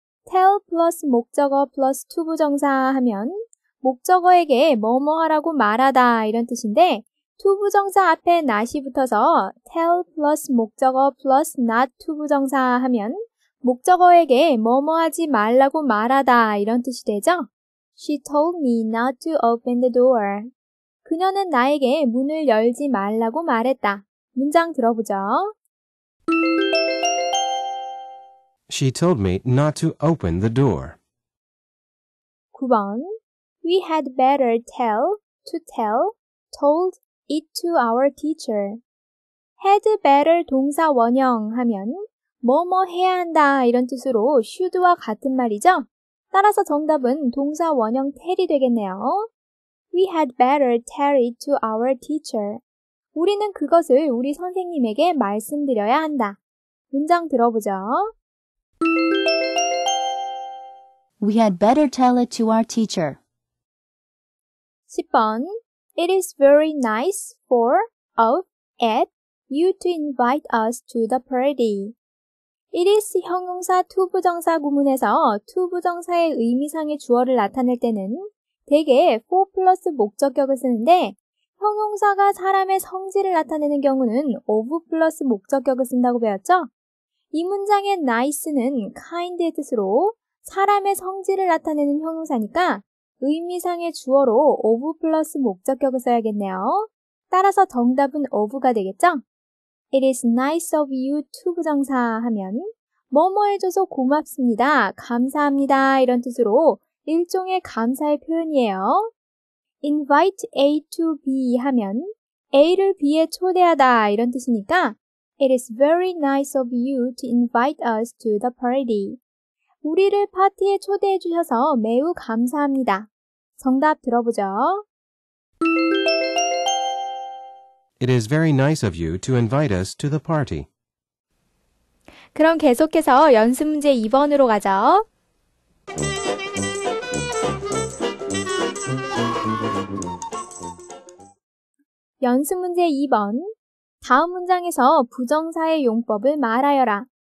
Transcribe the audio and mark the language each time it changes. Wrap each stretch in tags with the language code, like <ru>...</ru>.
<ko>tell 플러스 목적어 플러스 투부정사 하면 목적어에게 뭐뭐하라고 말하다 이런 뜻인데 투부정사 앞에 not이 붙어서 tell 플러스 목적어 플러스 not 투부정사 하면 목적어에게 뭐뭐하지 말라고 말하다 이런 뜻이 되죠?</ko> <en>She told me not to open the door.</en> <ko>그녀는 나에게 문을 열지 말라고 말했다. 문장 들어보죠.</ko> <en>She told me not to open the door.</en> <ko>9번</ko> <en>We had better told it to our teacher.</en> <ko>Had better 동사 원형 하면 뭐뭐 해야 한다 이런 뜻으로 should와 같은 말이죠. 따라서 정답은 동사 원형 tell이 되겠네요.</ko> <en>We had better tell it to our teacher.</en> <ko>우리는 그것을 우리 선생님에게 말씀드려야 한다. 문장 들어보죠.</ko> <en>We had better tell it to our teacher.</en> <ko>10번</ko> <en>It is very nice for, of, at, you to invite us to the party.</en> <ko>It is 형용사 투부정사 구문에서 투부정사의 의미상의 주어를 나타낼 때는 대개 for 플러스 목적격을 쓰는데 형용사가 사람의 성질을 나타내는 경우는 of 플러스 목적격을 쓴다고 배웠죠? 이 문장의 nice는 kind의 뜻으로 사람의 성질을 나타내는 형용사니까 의미상의 주어로 of 플러스 목적격을 써야겠네요. 따라서 정답은 of가 되겠죠?</ko> <en>It is nice of you to</en> <ko>부정사 하면 뭐뭐 해줘서 고맙습니다. 감사합니다. 이런 뜻으로 일종의 감사의 표현이에요.</ko> <en>Invite A to B</en> <ko>하면 A를 B에 초대하다. 이런 뜻이니까</ko> <en>It is very nice of you to invite us to the party.</en> <ko>우리를 파티에 초대해 주셔서 매우 감사합니다. 정답 들어보죠.</ko> <en>It is very nice of you to invite us to the party.</en> <ko>그럼 계속해서 연습 문제 2번으로 가죠. 연습 문제 2번. 다음 문장에서 부정사의 용법을 말하여라.</ko>